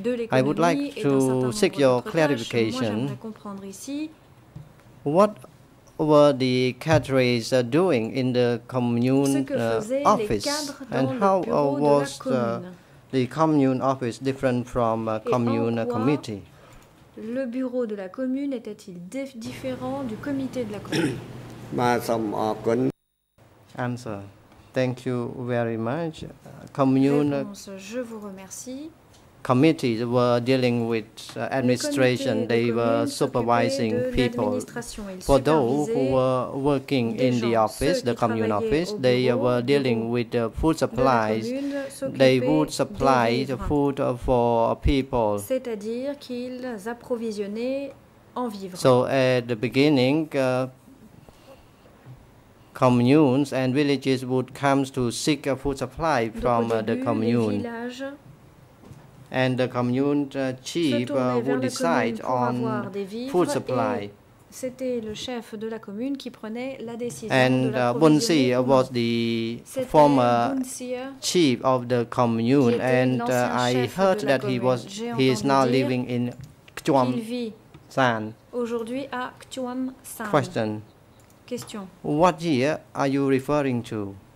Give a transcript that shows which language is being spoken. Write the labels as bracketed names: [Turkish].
[English] I would like to seek your clarification. What were the cadres doing in the commune office, and how was the commune office different from commune committee? [French] Le bureau de la commune était-il différent du comité de la commune? [English] Answer. Thank you very much. Commune. [French] Je vous remercie. [English] Committees were dealing with administration. They were supervising people. For those who were working in the office, the commune office, they were dealing with food supplies. They would supply the food for people. [French] C'est-à-dire qu'ils approvisionnaient en vivres. [English] So at the beginning, communes and villages would come to seek a food supply from the commune. And the commune chief would decide on food supply. [French] C'était le chef de la commune qui prenait la décision. [English] And Bunsi was the former chief of the commune, and I heard that he is now living in Chuam San. [French] Aujourd'hui à Chuam San. [English] Question. Question. What year are you referring to?